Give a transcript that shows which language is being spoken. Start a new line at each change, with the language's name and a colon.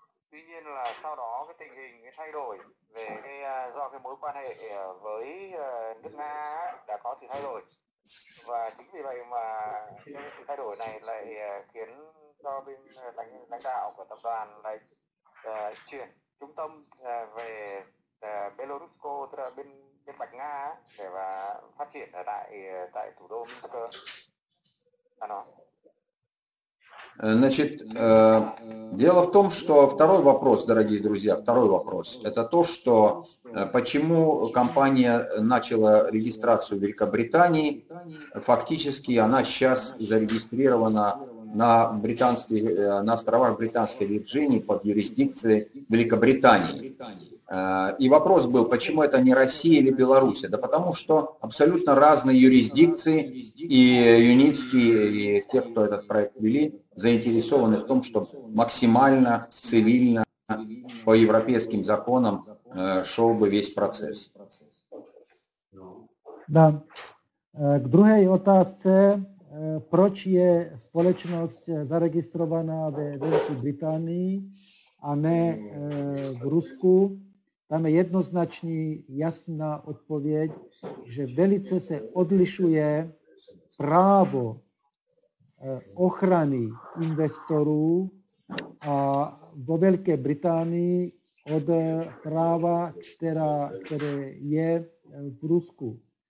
Vietnamese: Tuy nhiên là sau đó cái tình hình cái thay đổi về cái do cái mối quan hệ với nước Nga đã có sự thay đổi và chính vì vậy mà cái sự thay đổi này lại khiến cho bên lãnh đạo của tập đoàn lại chuyển trung tâm về Belarus, tức là bên Bạch Nga để và phát triển ở tại thủ đô Minsk.
Russian: Значит, дело в том, что второй вопрос, дорогие друзья, второй вопрос, это то, что почему компания начала регистрацию в Великобритании, фактически она сейчас зарегистрирована на островах Британской Вирджинии под юрисдикцией Великобритании. И вопрос был, почему это не Россия или Беларусь? Да потому что абсолютно разные юрисдикции, и Юницкий, и те, кто этот проект вели, заинтересованы в том, чтобы максимально цивильно, по европейским законам, шел бы весь процесс. Да. К другой вопросу, почему сообщество зарегистрировано в Великобритании, а не в Русске?
Czech: Tam je jednoznačný, jasná odpověď, že velice se odlišuje právo ochrany investorů vo Velké Británii od práva, které je v Rusku.